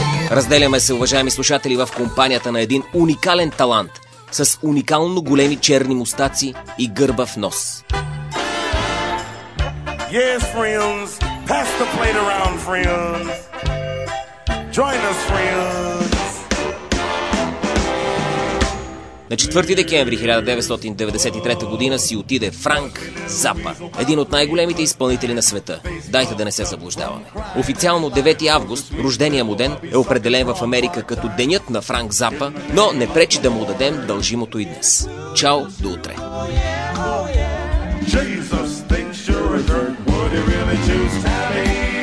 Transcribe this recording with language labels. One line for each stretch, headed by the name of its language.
Bulgarian: Разделяме се, уважаеми слушатели, в компанията на един уникален талант – с уникално големи черни мустаци и гърбав нос.
English: Yes, friends. Pass the plate around, friends. Join us, friends.
Bulgarian: На 4 декември 1993 година си отиде Франк Запа, един от най-големите изпълнители на света. Дайте да не се заблуждаваме. Официално 9 август, рождения му ден, е определен в Америка като денят на Франк Запа, но не пречи да му дадем дължимото и днес. Чао, до утре!
English: Jesus thinks you're a jerk. Would he really choose Tammy?